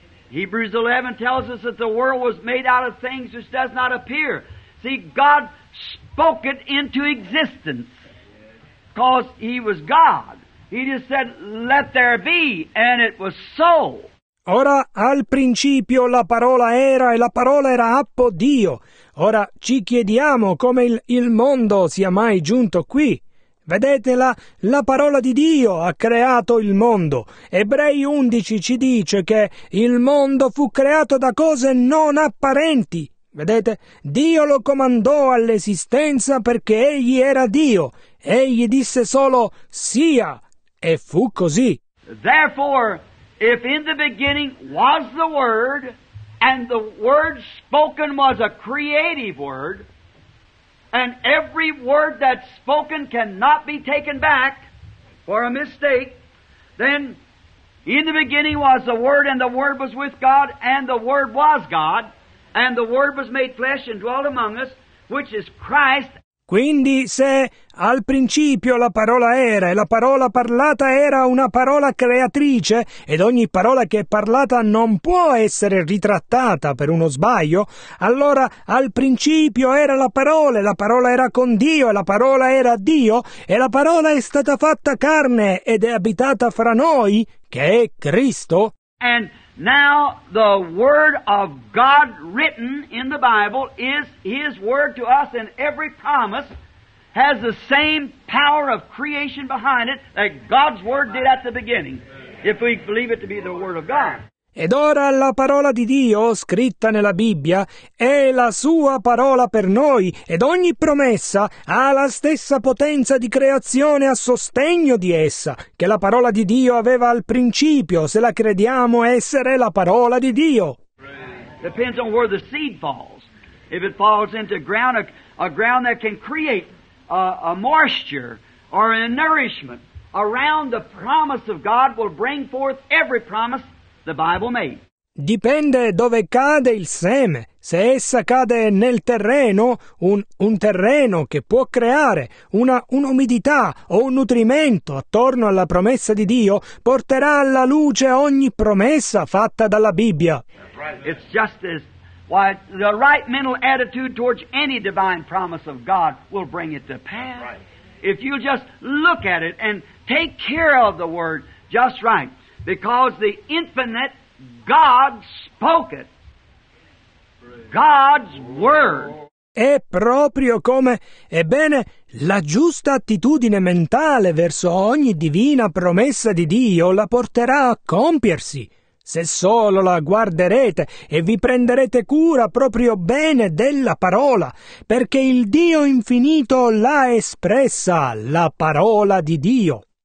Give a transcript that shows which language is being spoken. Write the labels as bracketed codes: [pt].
[en] Hebrews 11 tells us that the world was made out of things which does not appear. See, God spoke it into existence because He was God. He just said, let there be, and it was so. [it] Ora, al principio la parola era e la parola era appo Dio. Ora ci chiediamo come il mondo sia mai giunto qui. Vedete, la parola di Dio ha creato il mondo. Ebrei 11 ci dice che il mondo fu creato da cose non apparenti. Vedete, Dio lo comandò all'esistenza perché egli era Dio. Egli disse solo sia e fu così. [en] Therefore, if in the beginning was the Word, and the Word spoken was a creative Word, and every word that's spoken cannot be taken back for a mistake, then in the beginning was the Word, and the Word was with God, and the Word was God, and the Word was made flesh and dwelt among us, which is Christ. [it] Quindi se al principio la parola era e la parola parlata era una parola creatrice ed ogni parola che è parlata non può essere ritrattata per uno sbaglio, allora al principio era la parola e la parola era con Dio e la parola era Dio e la parola è stata fatta carne ed è abitata fra noi, che è Cristo. [en] And now the word of God written in the Bible is His word to us, and every promise has the same power of creation behind it that God's word did at the beginning, if we believe it to be the word of God. [it] Ed ora la parola di Dio, scritta nella Bibbia, è la sua parola per noi, ed ogni promessa ha la stessa potenza di creazione a sostegno di essa, che la parola di Dio aveva al principio, se la crediamo essere la parola di Dio. [en] Depends on where the seed falls. If it falls into ground, a ground that can create a moisture or a nourishment around the promise of God will bring forth every promise the Bible made. [it] Dipende dove cade il seme. Se essa cade nel terreno, un terreno che può creare un'umidità o un nutrimento attorno alla promessa di Dio, porterà alla luce ogni promessa fatta dalla Bibbia. [en] It's just as why the right mental attitude towards any divine promise of God will bring it to pass. Right. If you just look at it and take care of the word just right. Because the infinite God spoke it. God's word. [it] È proprio come, ebbene, la giusta attitudine mentale verso ogni divina promessa di Dio la porterà a compiersi. Se solo la guarderete e vi prenderete cura proprio bene della parola, perché il Dio infinito l'ha espressa, la parola di Dio.